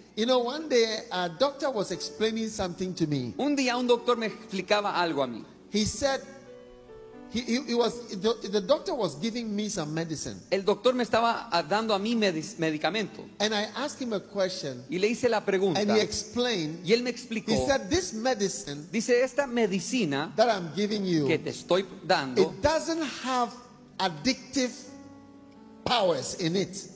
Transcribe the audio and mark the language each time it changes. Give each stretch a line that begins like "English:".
English: You know, one day a doctor was explaining something to me.
Spanish: Un día un doctor me explicaba algo a mí.
English: He said the doctor was giving me some medicine.
Spanish: El doctor me estaba dando a mí medicamento.
English: And I asked him a question.
Spanish: Y le hice la pregunta.
English: And he explained.
Spanish: Y él me explicó.
English: He said this medicine.
Spanish: Dice esta medicina
English: that I'm giving you.
Spanish: Que te estoy dando.
English: It doesn't have addictive powers in it.